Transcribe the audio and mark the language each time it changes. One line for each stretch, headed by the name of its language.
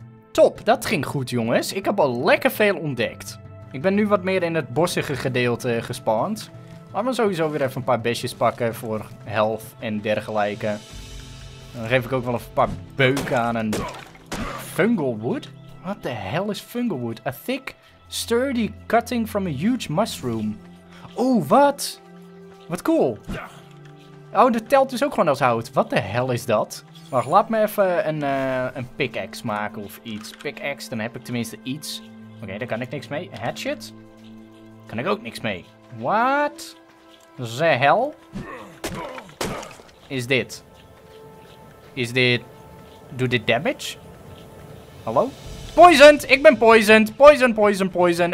Dutch: Top, dat ging goed jongens. Ik heb al lekker veel ontdekt. Ik ben nu wat meer in het bossige gedeelte gespawnd. Laten we sowieso weer even een paar besjes pakken voor health en dergelijke. Dan geef ik ook wel even een paar beuken aan een fungal wood.
English: What the hell is fungal wood? A thick, sturdy cutting from a huge mushroom.
Dutch: Oh, wat? Wat cool. Oh, dat telt dus ook gewoon als hout.
English: What the hell
Dutch: is dat? Wacht, laat me even een pickaxe maken of iets. Pickaxe, dan heb ik tenminste iets. Oké, daar kan ik niks mee. Hatchet? Kan ik ook niks mee.
English: What the hell
Dutch: is dit? Is dit... Doet dit damage? Hallo? Poisoned! Ik ben poisoned! Poison.